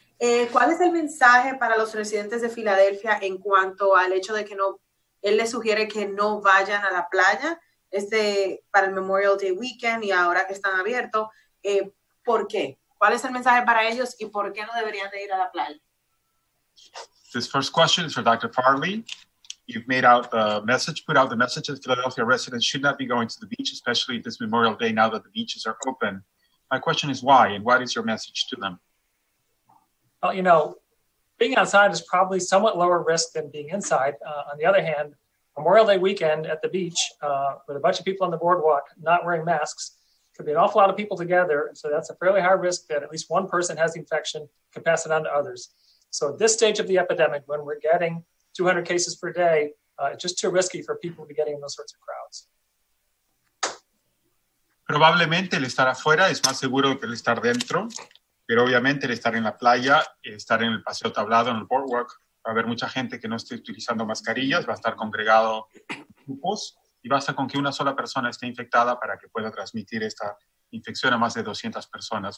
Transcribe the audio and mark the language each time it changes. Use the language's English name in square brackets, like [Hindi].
[Spanish] ¿Cuál es el mensaje para los residentes de Filadelfia en cuanto al hecho de que no, él les sugiere que no vayan a la playa para el Memorial Day Weekend y ahora que están abiertos? ¿Por qué? ¿Cuál es el mensaje para ellos y por qué no deberían de ir a la playa? [English] This first question is for Dr. Farley. You've made out the message, put out the message that Philadelphia residents should not be going to the beach, especially this Memorial Day, now that the beaches are open. My question is why, and what is your message to them? Well, you know, being outside is probably somewhat lower risk than being inside. On the other hand, Memorial Day weekend at the beach with a bunch of people on the boardwalk not wearing masks could be an awful lot of people together. So that's a fairly high risk that at least one person has the infection, can pass it on to others. So at this stage of the epidemic, when we're getting 200 cases per day, it's just too risky for people to be getting in those sorts of crowds. [Spanish] Probablemente el estar afuera es más seguro que el estar dentro, pero obviamente el estar en la playa, estar en el paseo tablado, en el boardwalk, va a haber mucha gente que no esté utilizando mascarillas, va a estar congregado en grupos, y basta con que una sola persona esté infectada para que pueda transmitir esta infección a más de 200 personas.